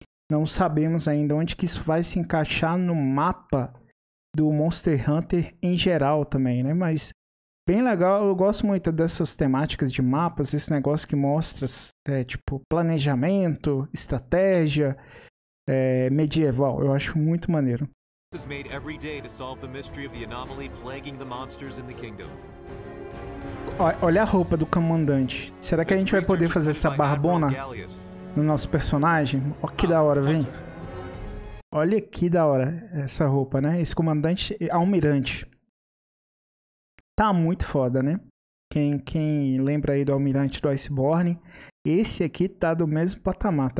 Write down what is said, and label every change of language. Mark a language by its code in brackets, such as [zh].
[pt] Não sabemos ainda onde que isso vai se encaixar no mapa do Monster Hunter em geral também, né? Mas bem legal, eu gosto muito dessas temáticas de mapas, esse negócio que mostra, tipo, planejamento, estratégia, medieval. Eu acho muito maneiro. [en] ...is made every day to solve the mystery of the anomaly plaguing the monsters in the kingdom. [pt] Olha a roupa do comandante. Será que a gente vai poder fazer essa barbona no nosso personagem? Olha que da hora, vem. Olha que da hora essa roupa, né? Esse comandante almirante. Tá muito foda, né? Quem lembra aí do almirante do Iceborne, esse aqui tá do mesmo patamar.